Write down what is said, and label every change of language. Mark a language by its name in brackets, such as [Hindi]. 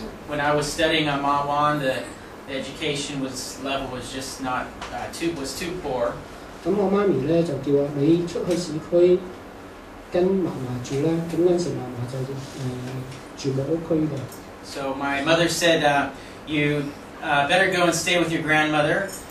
[English] When I was studying at Ma Wan, the education level was just not too poor. [Cantonese] 咁我媽咪咧就叫我你出去市區跟嫲嫲住啦。咁嗰陣時嫲嫲就住木屋區嘅。 [English] So my mother said, better go and stay with your grandmother.